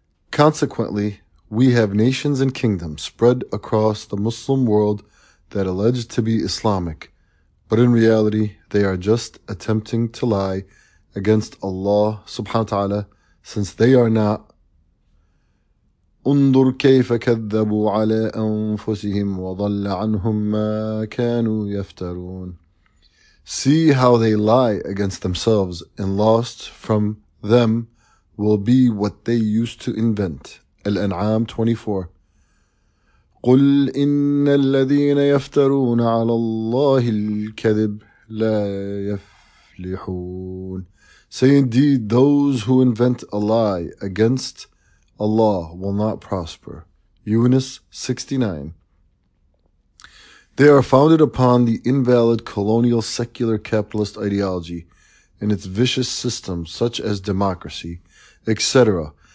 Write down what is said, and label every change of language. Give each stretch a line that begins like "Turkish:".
English: Consequently, we have nations and kingdoms spread across the Muslim world that allege to be Islamic, but in reality, they are just attempting to lie against Allah subhanahu wa ta'ala, since they are not.
Arabic: انظر كيف كذبوا على أنفسهم وضل عنهم ما كانوا يفترون.
English: See how they lie against themselves, and lost from them will be what they used to invent. Al-An'am 24.
Arabic: قل إن الذين يفترون على الله الكذب لا يفلحون.
English: Say indeed, those who invent a lie against Allah will not prosper. Yunus 69. They are founded upon the invalid colonial secular capitalist ideology and its vicious systems such as democracy, etc.